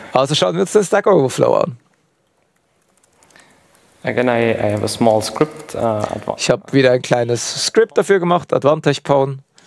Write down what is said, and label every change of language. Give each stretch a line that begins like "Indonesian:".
German: Also schauen wir uns den Stack Overflow an.
English: Again, I have a small script.
German: Ich habe wieder ein kleines Script dafür gemacht, Advantage Pwn.